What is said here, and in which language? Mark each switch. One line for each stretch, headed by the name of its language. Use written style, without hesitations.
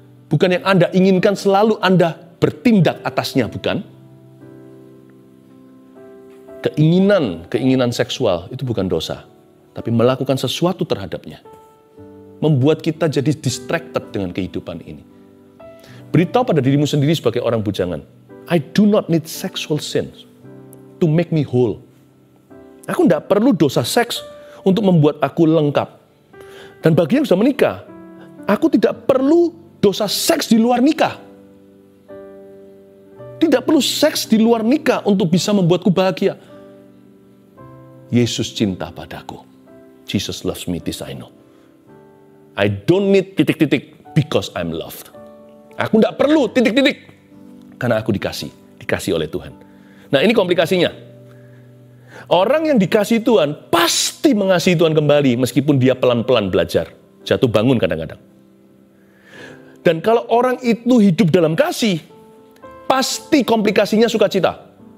Indonesian: Bukan yang Anda inginkan selalu Anda bertindak atasnya, bukan? Keinginan seksual itu bukan dosa. Tapi melakukan sesuatu terhadapnya. Membuat kita jadi distracted dengan kehidupan ini. Beritahu pada dirimu sendiri sebagai orang bujangan.
English: I do not need sexual sins to make me whole.
Indonesian: Aku tidak perlu dosa seks untuk membuat aku lengkap. Dan bagi yang sudah menikah, aku tidak perlu dosa seks di luar nikah. Tidak perlu seks di luar nikah untuk bisa membuatku bahagia. Yesus cinta padaku.
English: Jesus loves me, this I know. I don't need
Indonesian: titik-titik
English: because I'm loved.
Indonesian: Aku tidak perlu titik-titik karena aku dikasih oleh Tuhan. Nah, ini komplikasinya. Orang yang dikasih Tuhan pasti mengasihi Tuhan kembali meskipun dia pelan-pelan belajar. Jatuh bangun kadang-kadang. Dan kalau orang itu hidup dalam kasih, pasti komplikasinya sukacita.